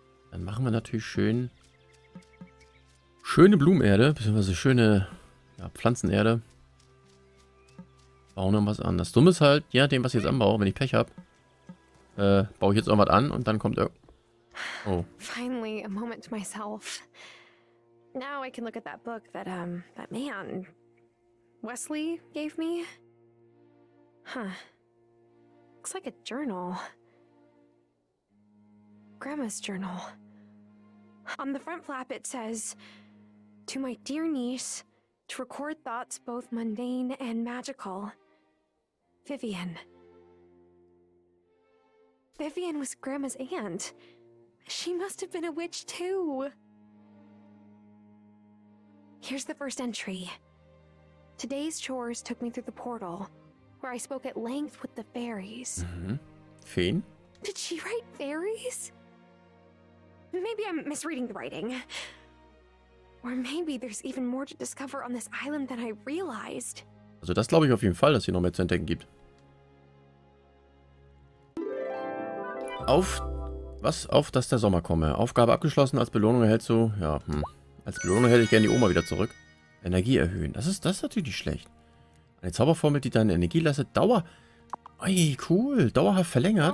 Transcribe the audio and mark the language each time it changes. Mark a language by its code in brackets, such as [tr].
[de] Dann machen wir natürlich schön schöne Blumenerde, beziehungsweise schöne ja, Pflanzenerde. Bauen wir was an. Das Dumme ist halt, ja, dem, was ich jetzt anbaue, wenn ich Pech habe, baue ich jetzt irgendwas an und dann kommt er. [en] Oh. Finally, a moment to myself. Now I can look at that book that, that man Wesley gave me. Huh. Looks like a journal. Grandma's journal. On the front flap it says, to my dear niece, to record thoughts both mundane and magical. Vivian. Vivian was Grandma's aunt. She must have been a witch too. Here's the first entry. Today's chores took me through the portal, where I spoke at length with the fairies. [de] Mm-hmm. Feen? [en] Did she write fairies? Maybe I'm misreading the writing. Or maybe there's even more to discover on this island than I realized. [de] Also das glaube ich auf jeden Fall, dass hier noch mehr zu entdecken gibt. Auf was? Auf, dass der Sommer komme. Aufgabe abgeschlossen, als Belohnung erhältst du... Ja, Als Belohnung hätte ich gerne die Oma wieder zurück. Energie erhöhen. Das ist natürlich nicht schlecht. Eine Zauberformel, die deine Energie lässt. Dauer... Ey, cool. Dauerhaft verlängert.